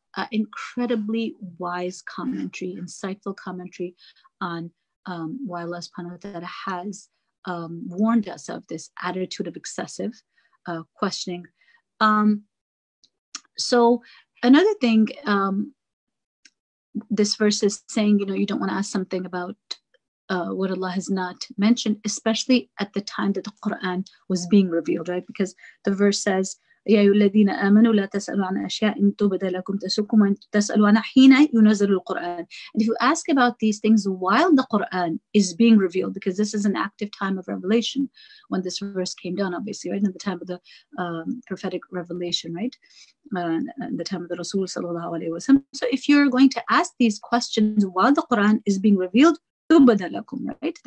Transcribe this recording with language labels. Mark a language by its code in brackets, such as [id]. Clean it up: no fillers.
[en] Incredibly wise commentary, insightful commentary on why Allah subhanahu wa ta'ala has warned us of this attitude of excessive questioning. So another thing this verse is saying, you don't want to ask something about what Allah has not mentioned, especially at the time that the Quran was being revealed, right? Because the verse says, [ar] يا أيها الذين آمنوا لا تسألوا عن أشياء إن تبدأ لكم تسؤكم وإن تسألوا عنها حين ينزل القرآن. [en] And if you ask about these things while the Quran is being revealed, because this is an active time of revelation when this verse came down, obviously, right? In the time of the prophetic revelation, right? In the time of the Rasul sallallahu alayhi wa sallam. So if you're going to ask these questions while the Quran is being revealed, [ar] تُبَدَ لَكُمْ, [en] right?